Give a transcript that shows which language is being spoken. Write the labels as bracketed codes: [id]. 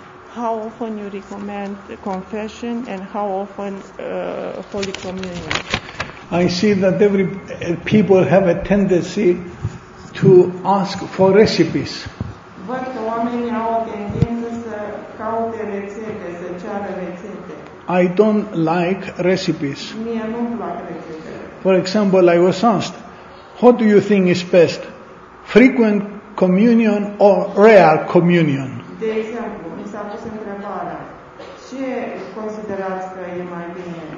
[en] How often you recommend confession and how often Holy Communion? I see that every people have a tendency to ask for recipes. [ro] Văd că oamenii au tendință să caute rețete, să ceară rețete. [en] I don't like recipes. [ro] Mie nu-mi plac rețete. [en] For example, I was asked, what do you think is best, frequent communion or rare communion? [ro] De exemplu, mi s-a pus întrebarea, ce considerați că e mai bine?